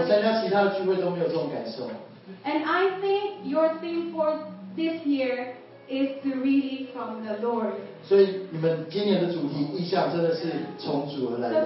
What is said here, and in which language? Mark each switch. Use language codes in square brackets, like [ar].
[zh] 我参加其他的聚会都没有这种感受。 [en] And I think your theme for this year is to really from the Lord. [zh] 所以你们今年的主题意向真的是从主而来的。